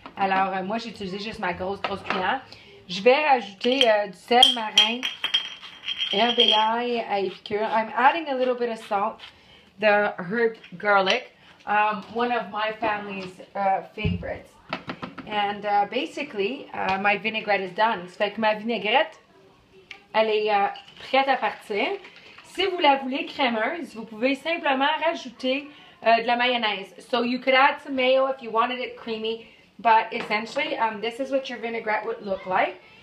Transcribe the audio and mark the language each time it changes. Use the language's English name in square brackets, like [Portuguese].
[French] Alors, moi, j'ai utilisé juste ma grosse cuillère. Je vais rajouter du sel marin, herbeille à Epicure. [English] I'm adding a little bit of salt, the herb garlic. One of my family's favorites. And basically, my vinaigrette is done. [French] Ça fait que ma vinaigrette, elle est prête à partir. Si vous la voulez crémeuse, vous pouvez simplement rajouter de la mayonnaise. [English] So you could add some mayo if you wanted it creamy, but essentially, this is what your vinaigrette would look like.